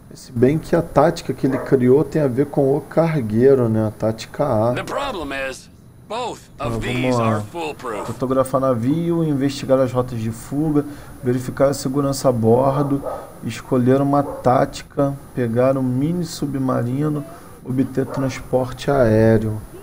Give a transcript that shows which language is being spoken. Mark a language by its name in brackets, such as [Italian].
[Portuguese] Bem que a tática que ele criou tem a ver com o cargueiro, né? A tática A. [English] The problem is both of these are foolproof. [Portuguese] Fotografar navio, investigar as rotas de fuga, verificar a segurança a bordo, escolher uma tática, pegar um mini submarino, obter transporte aéreo.